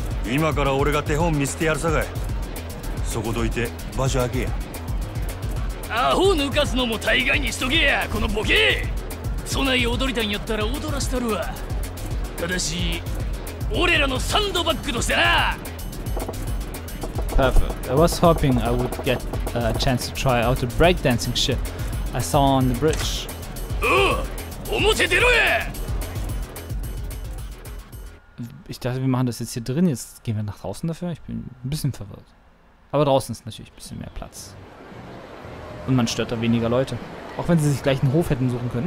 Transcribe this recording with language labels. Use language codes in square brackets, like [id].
[ja] 今から俺が手本見せてやるさかい。そこどいて場所開けや。アホ抜かすのも大概にしとけや、このボケ。そない踊りたいんやったら踊らしたるわ。ただし俺らのサンドバッグとしてな。 [en] Perfect. I was hoping I would get a chance to try out a breakdancing shit I saw on the bridge. [ja] おう、表出ろや。 [de] Ich dachte, wir machen das jetzt hier drin. Jetzt gehen wir nach draußen dafür. Ich bin ein bisschen verwirrt. Aber draußen ist natürlich ein bisschen mehr Platz. Und man stört da weniger Leute. Auch wenn sie sich gleich einen Hof hätten suchen können.